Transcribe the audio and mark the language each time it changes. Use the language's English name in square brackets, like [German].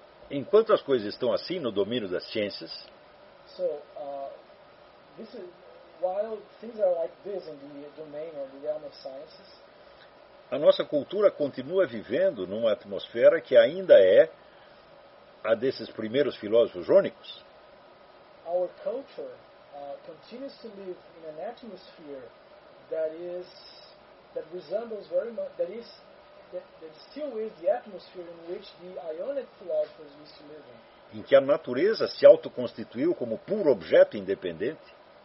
[Portuguese] Enquanto as coisas estão assim no domínio das ciências, [English] so, this is, while things are like this in the domain or the realm of sciences, [Portuguese] a nossa cultura continua vivendo numa atmosfera que ainda é a desses primeiros filósofos jônicos. [English] Our culture continues to live in an atmosphere that resembles very much that still is the atmosphere in which the Ionic philosophers used to live in. [Portuguese] Em que a natureza se autoconstituiu como puro objeto independente.